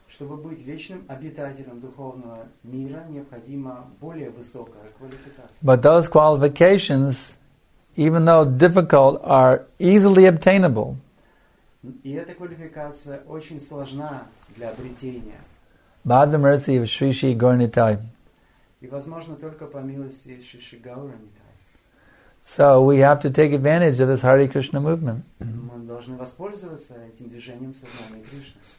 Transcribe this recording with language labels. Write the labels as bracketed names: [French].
[Russian] Чтобы быть вечным обитателем духовного мира, необходима более высокая квалификация. [English] But those qualifications, even though difficult, are easily obtainable. [Russian] И эта квалификация очень сложна для обретения. [English] By the mercy of Sri Sri Gauranitai. [Russian] И возможно только по милости Sri Sri Gauranitai. [English] So we have to take advantage of this Hare Krishna movement. [Russian] Мы должны воспользоваться этим движением сознания Кришны.